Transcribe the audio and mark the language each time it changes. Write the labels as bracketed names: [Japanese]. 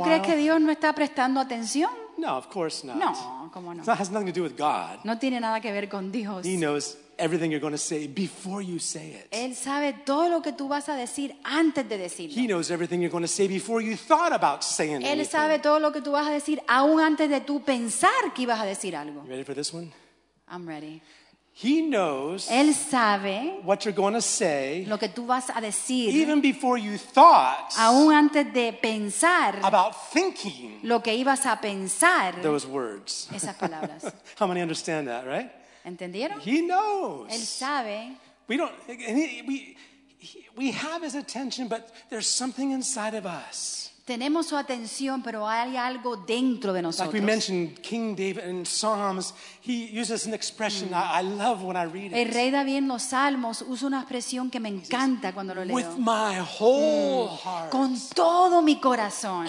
[Spanish] ¿Tú crees que Dios no está prestando atención? [English] No, of course not. [Spanish] No, cómo no. [English] It has nothing to do with God. [Spanish] No tiene nada que ver con Dios. [English] He knows everything you're going to say before you say it. [Spanish] Él sabe todo lo que tú vas a decir antes de decirlo. [English] He knows everything you're going to say before you thought about saying it. [Spanish] Él [English] anything. [Spanish] Sabe todo lo que tú vas a decir aún antes de tú pensar que ibas a decir algo. [English] You ready for this one? I'm ready. He knows. [Spanish] Él sabe [English] what you're going to say. [Spanish] Lo que tú vas a decir. [English] Even before you thought. [Spanish] Aún antes de pensar. [English] About thinking. [Spanish] Lo que ibas a pensar. [English] Those words. [Spanish] Esas palabras. [English] How many understand that, right? [Spanish] ¿Entendieron? [English] He knows. [Spanish] Él sabe [English] We have his attention, but there's something inside of us. [Spanish] Tenemos su atención, pero hay algo dentro de nosotros. [English] Like we mentioned, King David in Psalms, he uses an expression I love when I read it. [Spanish] El rey David en los Salmos usa una expresión que me encanta cuando lo leo. [English] With my whole heart. [Spanish] Con todo mi corazón.